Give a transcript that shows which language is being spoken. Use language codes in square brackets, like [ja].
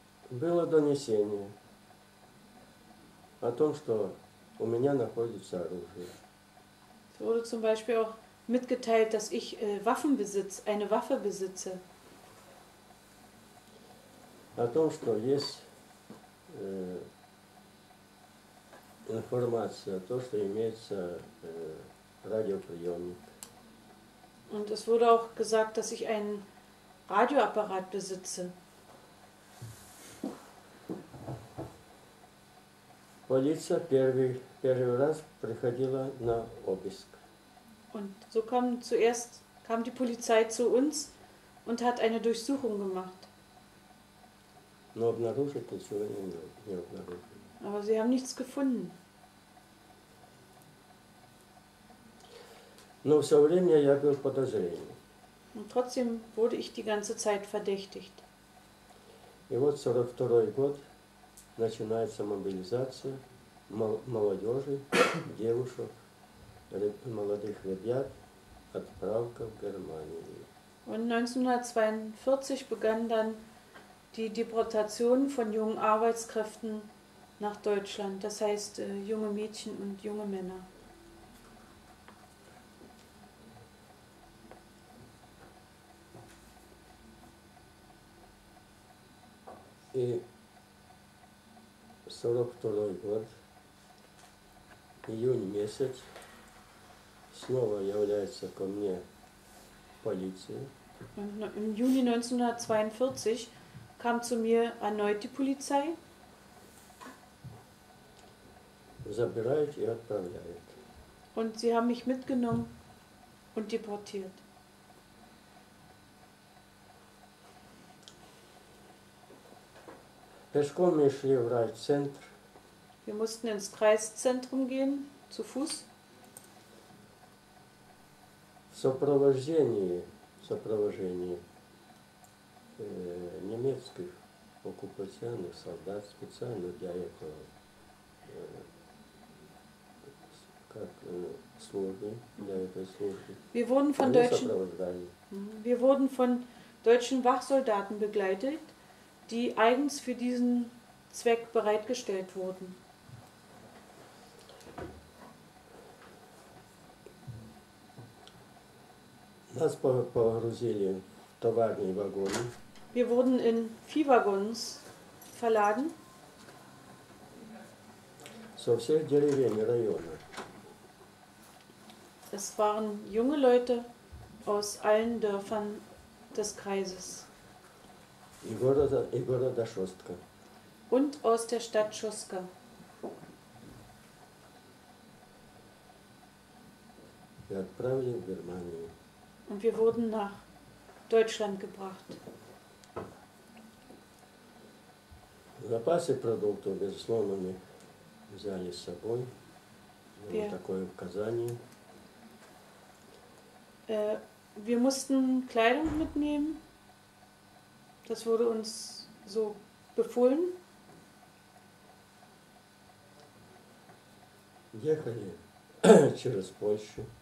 [ru] Было донесение о том, что у меня находится оружие. [de] Es wurde zum Beispiel auch mitgeteilt, dass ich eine Waffe besitze. [ru] О том, что есть информация, о том, что имеется радиоприемник. [de] Und es wurde auch gesagt, dass ich einen Radioapparat besitze. [ru] Полиция первый раз приходила на обыск. [de] Und so kam die Polizei zu uns und hat eine Durchsuchung gemacht. [ru] Но обнаружить ничего не обнаружили. [de] Aber sie haben nichts gefunden. [ru] Но все время я был подозрением. [de] Und trotzdem wurde ich die ganze Zeit verdächtigt. [ru] И вот 42-й год начинается мобилизация. Молодежи, девушек, молодых ребят, отправка в Германию. [de] Und 1942 begann dann die Deportation von jungen Arbeitskräften nach Deutschland, das heißt junge Mädchen und junge Männer. [ru] И в 42-й год, июнь месяц, снова является ко мне полиция. [de] Im Juni 1942 kam zu mir erneut die Polizei. [ru] Забирает и отправляет. [de] Und sie haben mich mitgenommen und deportiert. [ru] Пешком мы шли в райцентр. [de] Wir mussten ins Kreiszentrum gehen, zu Fuß. [ru] В сопровождении. Сопровождение немецких оккупационных солдат специально для этого как службы для этой службы. [de] Wir wurden von deutschen Wachsoldaten begleitet, die eigens für diesen Zweck bereitgestellt wurden. [ru] Нас погрузили в товарные вагоны. [de] Wir wurden in Viehwaggons verladen. [ru] Со всех деревень района. [de] Es waren junge Leute aus allen Dörfern des Kreises. [ru] И города Шостка. [de] Und aus der Stadt Шостка. [ru] И отправили в Германию. [de] Und wir wurden nach Deutschland gebracht. [ru] Запасы продуктов, безусловно, мы взяли с собой. Вот такое указание. [de] Wir mussten Kleidung mitnehmen. Das wurde uns so befohlen. [ru] Ехали через Польшу.